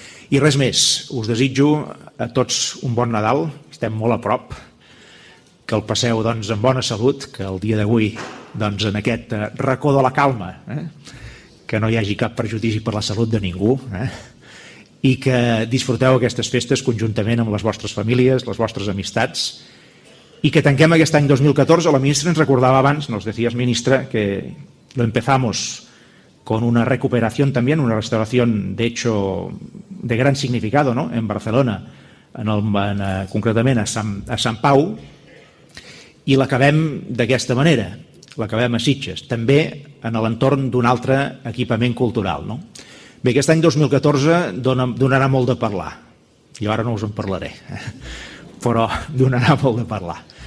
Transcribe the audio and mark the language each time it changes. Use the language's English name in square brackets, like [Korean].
[Catalan] I res més, us desitjo a tots un bon Nadal, estem molt a prop, que el passeu doncs, amb bona salut, que el dia d'avui, doncs, en aquest racó de la calma, que no hi hagi cap perjudici per la salut de ningú, i que disfruteu aquestes festes conjuntament amb les vostres famílies, les vostres amistats, i que tanquem aquest any 2014. La ministra ens recordava abans, [Spanish] nos decías, ministra, que lo empezamos con una recuperación también, una restauración, de hecho, de gran significado, ¿no? En Barcelona, [Catalan] concretament a Sant Pau, i l'acabem d'aquesta manera, l'acabem a Sitges, també en l'entorn d'un altre equipament cultural. No? Bé, aquest any 2014 donarà molt de parlar, jo ara no us en parlaré, però donarà molt de parlar.